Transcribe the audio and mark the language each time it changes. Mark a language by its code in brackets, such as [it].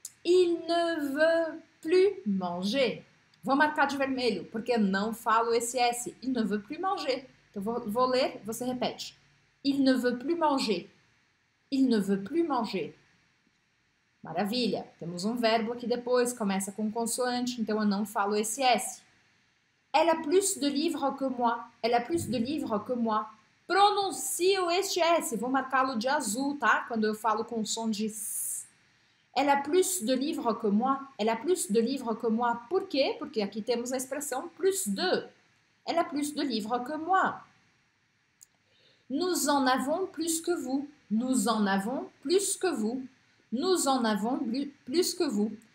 [fr] Il ne veut plus manger. [pt] Vou marcar de vermelho, porque não falo esse S. [fr] Il ne veut plus manger. [pt] Então vou ler, você repete. [fr] Il ne veut plus manger. Il ne veut plus manger. [pt] Maravilha! Temos um verbo aqui depois, começa com consoante, então eu não falo esse S. [fr] Elle a plus de livres que moi. Elle a plus de livres que moi. [pt] Pronuncio este S, vou marcá-lo de azul, tá? Quando eu falo com som de S. [fr] Elle a plus de livres que moi. Elle a plus de livres que moi. [pt] Por quê? Porque aqui temos a expressão plus de. [fr] Elle a plus de livres que moi. Nous en avons plus que vous. Nous en avons plus que vous. Nous en avons plus que vous.